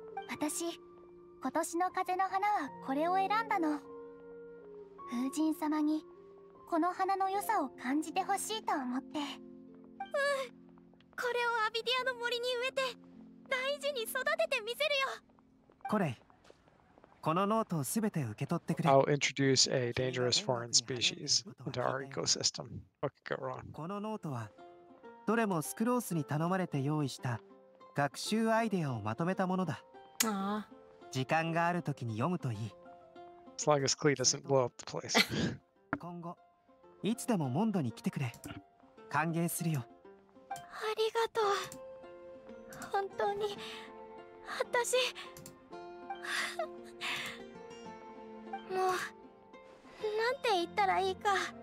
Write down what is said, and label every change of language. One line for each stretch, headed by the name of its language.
Japanese: 私、今年の風の花はこれを選んだの。風神様にこの花の良さを感じてほしいと思って。うん、これをアビディアの森に植えて大事に育ててみせるよ。これ、このノートをすべて受け取ってくれ。
English: I'll introduce a dangerous foreign species into our ecosystem. What could go wrong?
Japanese: このノートはどれもスクロースに頼まれて用意した学習アイデアをまとめたものだ。ああ。時間があるときに読むといい。
English: As long as Klee doesn't blow up the place.
Japanese: 今後、いつでもモンドに来てくれ。歓迎するよ。ありがとう。本当に、私、もう、なんて言ったらいいか。